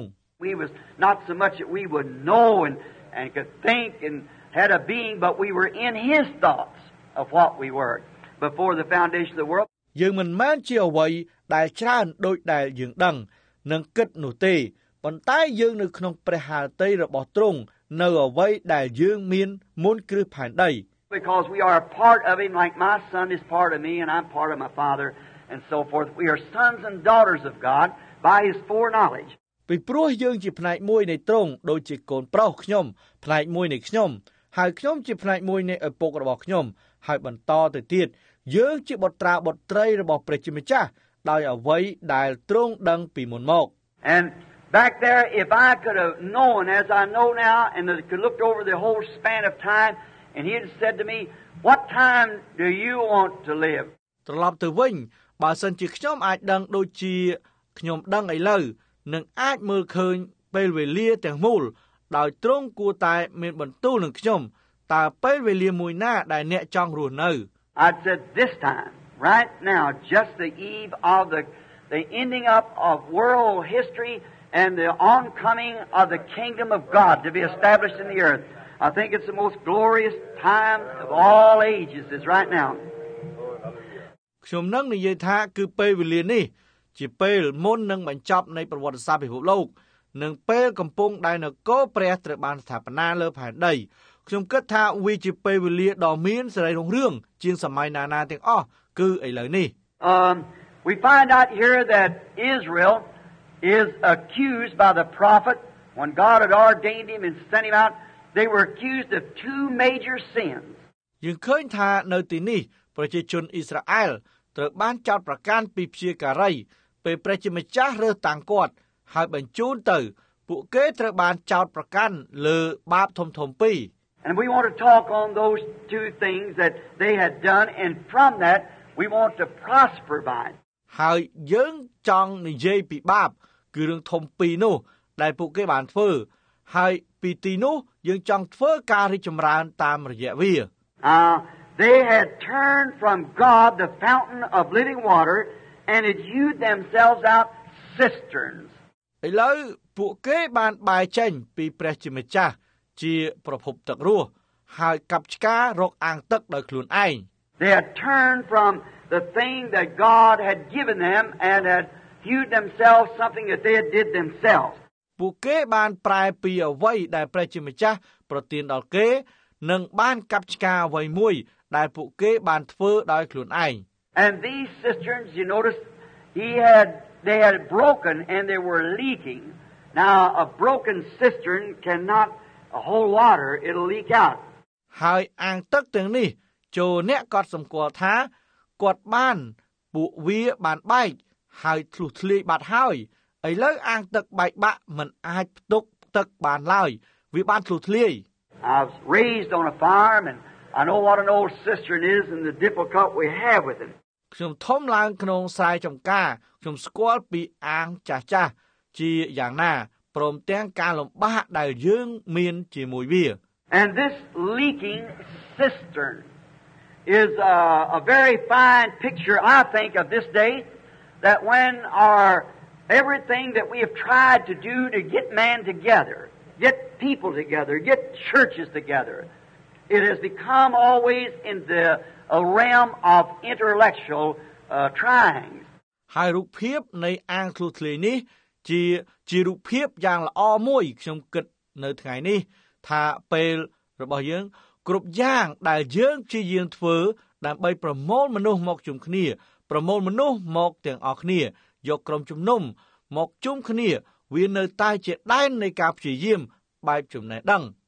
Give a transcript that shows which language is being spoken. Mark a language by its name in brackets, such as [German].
[English] We was not so much that we would know and could think and had a being but we were in his thoughts of what we were before the foundation of the world [Khmer] យើងមិនមែនជាអ្វីដែលច្រើនដូចដែលយើងដឹងនិងគិតនោះទេប៉ុន្តែយើងនៅក្នុងព្រះហឫទ័យរបស់ទ្រង់នៅអ្វីដែលយើងមានមុនគ្រឹះផែនដី [English] Because we are a part of him like my son is part of me and I'm part of my father and so forth we are sons and daughters of God by his foreknowledge [Khmer] ពីព្រោះយើងជាផ្នែកមួយនៃទ្រង់ដូចជាកូនប្រុសខ្ញុំផ្នែកមួយនៃខ្ញុំហើយខ្ញុំជាផ្នែកមួយនៃឪពុករបស់ខ្ញុំហើយបន្តទៅទៀតយើងជាបុត្រាបុត្រីរបស់ព្រះជាម្ចាស់ដោយអ្វីដែលទ្រង់ដឹងពីមុនមក [English] And back there if I could have known as I know now and I could look over the whole span of time and he had said to me what time do you want to live [Khmer] ត្រឡប់ទៅវិញបើសិនជាខ្ញុំអាចដឹងដូចជាខ្ញុំដឹងឥឡូវនឹងអាចមើលឃើញពេលវេលាទាំងមូលដោយត្រង់គួរតែមានបន្ទូលនឹងខ្ញុំតើពេលវេលាមួយណាដែលអ្នកចង់រស់នៅ [English] I said this time right now just the eve of the ending up of world history and the oncoming of the kingdom of God to be established in the earth I think it's the most glorious time of all ages is right now [Khmer] ខ្ញុំនឹងនិយាយថាគឺពេលវេលានេះជាពេលមុននឹងបញ្ចប់នៃប្រវត្តិសាស្ត្រពិភពលោកនឹងពេលកំពុងដែលនគរព្រះត្រូវបានស្ថាបនាលើផែនដីខ្ញុំគិតថាវាជាពេលវេលាដ៏មានសេរីរុងរឿងជាងសម័យណាណាទាំងអស់គឺឥឡូវនេះ [English] We find out here that Israel is accused by the prophet when God had ordained him and sent him out they were accused of two major sins [Khmer] យើងឃើញថានៅទីនេះប្រជាជនអ៊ីស្រាអែលត្រូវបានចោទប្រកាន់ពីព្យាការីពេលព្រះជាម្ចាស់រើសតាំងគាត់ហើយបញ្ជូនទៅពួកគេត្រូវបានចោទប្រកាន់លើបាបធំធំពីរ [English] And we want to talk on those two things that they had done and from that we want to prosper by [Khmer] ហើយយើងចង់និយាយពីបាបគឺរឿងធំពីរនោះដែលពួកគេបានធ្វើហើយពីទីនោះយើងចង់ធ្វើការរីកចម្រើនតាមរយៈវា [English] They had turned from God the fountain of living water and had hewed themselves out cisterns [Khmer] ឥឡូវពួកគេបានបែរចេញពីព្រះជាម្ចាស់ជាប្រភពទឹករស់ហើយកាប់ឆ្ការកអាងទឹកដោយខ្លួនឯង [English] They had turned from the thing that God had given them and had hewed themselves something that they had did themselves [Khmer] ពួកគេបានប្រែពីអ្វីដែលព្រះជាម្ចាស់ប្រទានដល់គេនិងបានកាប់ឆ្ការអ្វីមួយដែលពួកគេបានធ្វើដោយខ្លួនឯង [English] And these cisterns you notice he hadThey had broken and they were leaking. Now a broken cistern cannot hold water, it'll leak out. [Khmer] ហើយអាងទឹកទាំងនេះចូលអ្នកគាត់សម្គាល់ថាគាត់បានពួកវាបានបែកហើយធ្លុះធ្លាយបាត់ហើយឥឡូវអាងទឹកបែកបាក់មិនអាចផ្ទុកទឹកបានឡើយវាបានធ្លុះធ្លាយ [English] I've raised on a farm and I know what an old cistern is and the difficulty we have with it. [Khmer] ខ្ញុំធំឡើងក្នុងខ្សែចំការខ្ញុំស្គាល់ពីអាងចាស់ចាស់ជាយ៉ាងណាព្រមទាំងការលំបាកដែលយើងមានជាមួយវា [English] And this leaking cistern is a very fine picture I think of this day that when our everything that we have tried to do to get man together get people together get churches together it has become always in theA realm of intellectual trying. [Khmer] ហើយរូបភាពនៃអាងធ្លុះធ្លាយនេះជារូបភាពយ៉ាងល្អមួយខ្ញុំគិតនៅថ្ងៃនេះថាពេលរបស់យើងគ្រប់យ៉ាងដែលយើងព្យាយាមធ្វើដើម្បីប្រមូលមនុស្សមកជុំគ្នាប្រមូលមនុស្សមកទាំងអស់គ្នាយកក្រុមជំនុំមកជុំគ្នាវានៅតែជាដែននៃការព្យាយាមបែបចំណេះដឹង